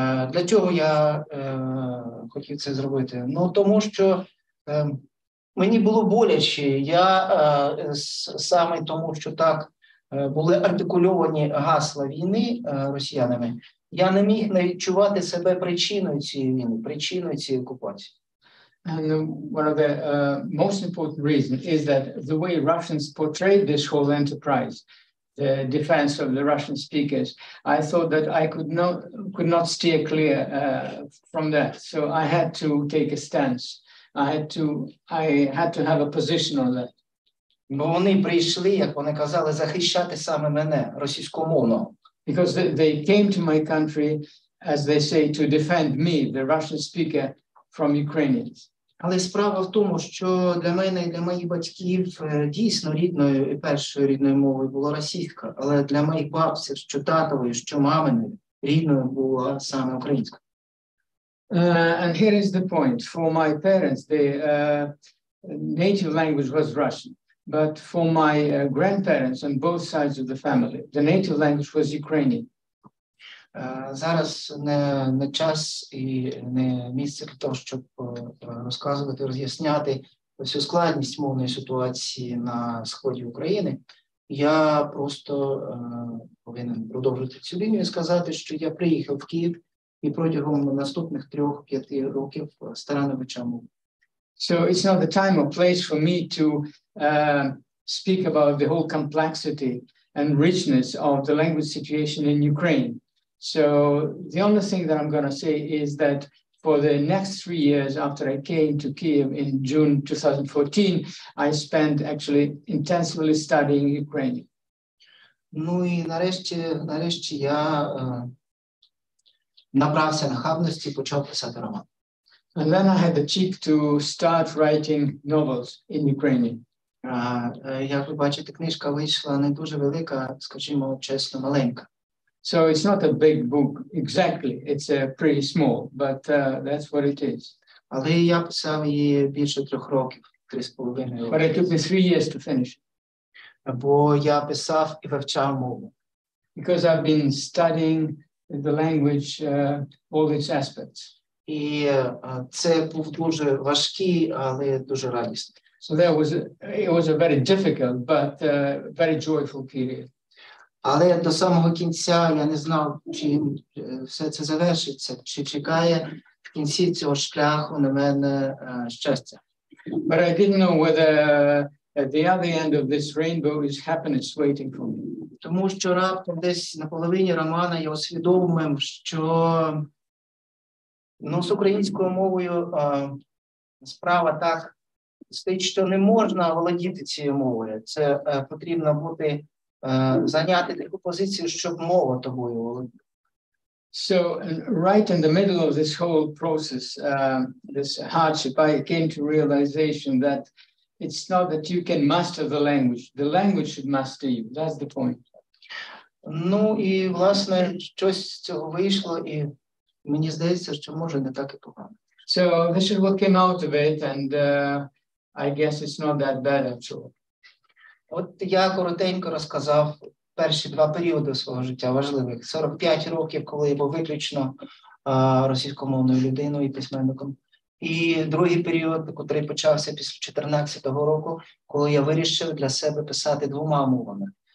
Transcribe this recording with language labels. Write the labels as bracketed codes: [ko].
[uk] Для чого я хотів це зробити? Ну, тому що мені було боляче. Я саме тому, що так були артикульовані гасла війни росіянами, я не міг не відчувати себе причиною цієї війни, причиною цієї окупації. [en] And one of the most important reasons is that the way Russians portrayed this whole enterprise, the defense of the Russian speakers, I thought that I could not steer clear from that. So I had to take a stance. I had to have a position on that. [uk] Бо вони прийшли, як вони казали, захищати саме мене, російськомовно. [en] Because they came to my country, as they say, to defend me, the Russian speaker, from Ukrainians. [uk] Але справа в тому, що для мене і для моїх батьків дійсно рідною і першою рідною мовою була російська, але для моїх бабців, що татовою, що маминою, рідною була саме українська. [en] And here is the point. For my parents, the native language was Russian. But for my grandparents on both sides of the family, the native language was Ukrainian. [uk] Зараз не час і не місце для того, щоб розказувати, роз'ясняти всю складність мовної ситуації на сході України. Я просто повинен продовжити цю лінію і сказати, що я приїхав в Київ і протягом наступних 3-5 років старанно вивчав мову. [en] So it's not the time or place for me to speak about the whole complexity and richness of the language situation in Ukraine. So the only thing that I'm going to say is that for the next 3 years after I came to Kyiv in June 2014, I spent actually intensively studying Ukrainian. [uk] Ну і нарешті я набрався нахабності, почав писати роман. [en] And then I had the cheek to start writing novels in Ukrainian. [uk] Як ви бачите, книжка вийшла не дуже велика, скажімо чесно, маленька. [en] So it's not a big book, exactly. It's pretty small, but that's what it is. [uk] Але я писав її більше 3 років, 3.5 років. [en] But it took me 3 years to finish. [uk] Бо я писав і вивчав мову. [en] Because I've been studying the language, all its aspects. [uk] І це був дуже важкий, але дуже радісний. [en] So it was a very difficult, but very joyful period. [uk] Але до самого кінця я не знав, чим все це завершиться, чи чекає в кінці цього шляху на мене щастя. [en] But I didn't know whether at the other end of this rainbow is happiness waiting for me. [uk] Тому що раптом десь на половині романа я усвідомив, що ну, з українською мовою справа так стоїть, що не можна володіти цією мовою. Це потрібно бути, зайняти таку позицію, щоб мова тобою володіла. [en] So, right in the middle of this whole process, this hardship, I came to realization that it's not that you can master the language should master you. That's the point. [uk] Ну і власне щось з цього вийшло, і мені здається, що може не так і погано. [en] So this is what came out of it, and I guess it's not that bad at all. [uk] От я коротенько розказав перші два періоди свого життя важливих. 45 років, коли я був виключно російськомовною людиною і письменником. І другий період, який почався після 14-го року, коли я вирішив для себе писати двома мовами.